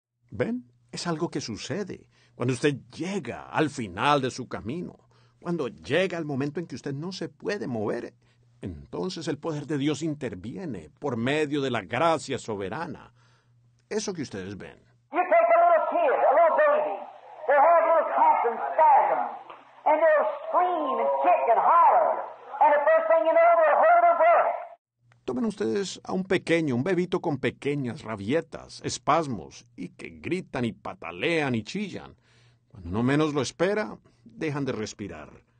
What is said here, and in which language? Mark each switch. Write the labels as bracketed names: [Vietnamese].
[Spanish] ¿Ven? Es algo que sucede cuando usted llega al final de su camino. Cuando llega el momento en que usted no se puede mover, entonces el poder de Dios interviene por medio de la gracia soberana. Eso que ustedes ven. [English] You take a little kid, a little baby. They have little cramps and spasms. And they'll scream and kick and holler. And the first thing you know, they'll hurt their breath. [Spanish] Tomen ustedes a un pequeño, un bebito con pequeñas rabietas, espasmos, y que gritan y patalean y chillan. Cuando no menos lo espera, dejan de respirar.